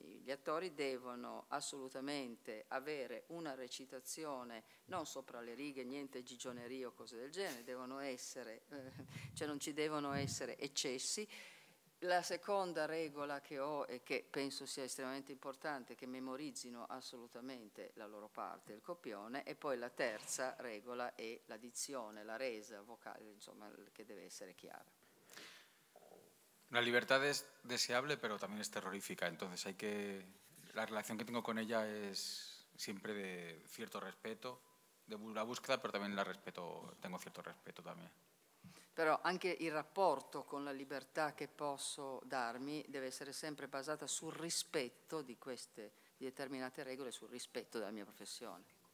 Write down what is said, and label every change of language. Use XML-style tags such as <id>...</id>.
<it>attori devono assolutamente avere una recitazione non sopra le righe, niente gigionerie o cose del genere, devono essere, cioè non ci devono essere eccessi. La seconda regola che ho, e che penso sia estremamente importante, che memorizzino assolutamente la loro parte, il copione, e poi la terza regola è la dizione, la resa vocale, insomma, che deve essere chiara.</it> <es>La libertad es deseable, pero también es terrorífica. Entonces hay que... La relación que tengo con ella es siempre de cierto respeto, de la búsqueda, pero también la respeto, tengo cierto respeto también.</es> <it>Però anche il rapporto con la libertà che posso darmi deve essere sempre basata sul rispetto di queste determinate regole, sul rispetto della mia professione.</it>